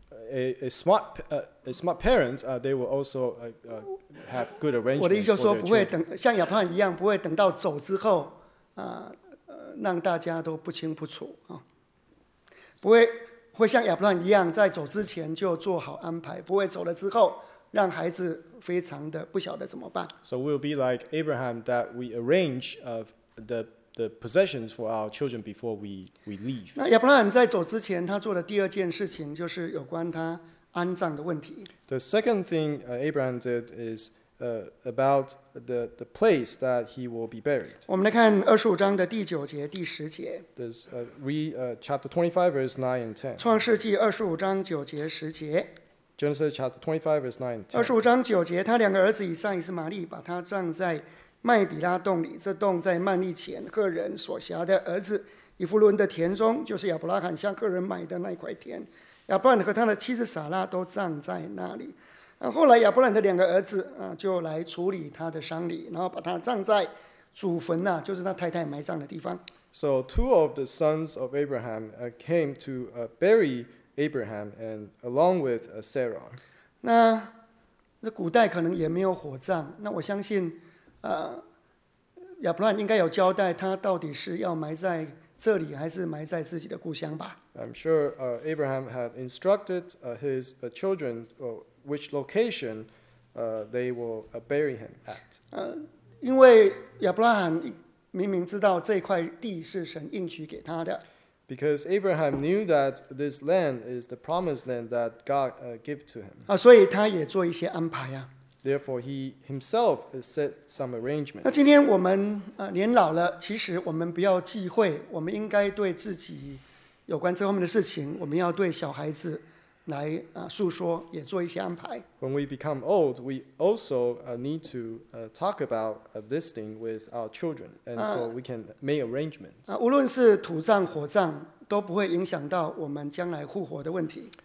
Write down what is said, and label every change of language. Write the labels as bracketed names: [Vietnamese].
[English] A smart parent, they will also have good arrangements. [Chinese] 我的意思就是说，不会等像亚伯拉罕一样，不会等到走之后，让大家都不清不楚不会像亚伯拉罕一样，在走之前就做好安排，不会走了之后让孩子非常的不晓得怎么办。 [English] So we'll be like Abraham that we arrange the possessions for our children before we leave. [Chinese] 那亚伯拉罕在走之前，他做的第二件事情就是有关他安葬的问题。 [English] The second thing Abraham did is about the place that he will be buried. [Chinese] 我们来看25章的第9节、第10节。 [English] This read chapter 25 verse 9 and 10. [Chinese] 创世纪25章9节、10节。 [English] Genesis chapter 25 verse 9 and 10. [Chinese] 25章9节，他两个儿子以撒、以实玛利把他葬在麦比拉洞里，这洞在曼利前赫人所辖的儿子以弗伦的田中，就是亚伯拉罕向赫人买的那一块田。亚伯兰和他的妻子撒拉都葬在那里。后来亚伯兰的两个儿子就来处理他的丧礼，然后把他葬在祖坟就是他太太埋葬的地方。 [English] So two of the sons of Abraham came to bury Abraham and along with Sarah. [Chinese] 那古代可能也没有火葬，那我相信。亚伯兰应该有交代，他到底是要埋在这里，还是埋在自己的故乡吧 [English] ？I'm sure Abraham had instructed his children which location they will bury him at. [Chinese] 因为亚伯兰明明知道这块地是神应许给他的。 [English] Because Abraham knew that this land is the promised land that God gave to him. [Chinese] 所以他也做一些安排 [English] Therefore, he himself has set some arrangement. [Chinese] 那今天我们年老了，其实我们不要忌讳，我们应该对自己有关这方面的事情，我们要对小孩子来诉说，也做一些安排。 [English] When we become old, we also need to talk about this thing with our children, and so we can make arrangements. [Chinese] 无论是土葬、火葬，都不会影响到我们将来复活的问题。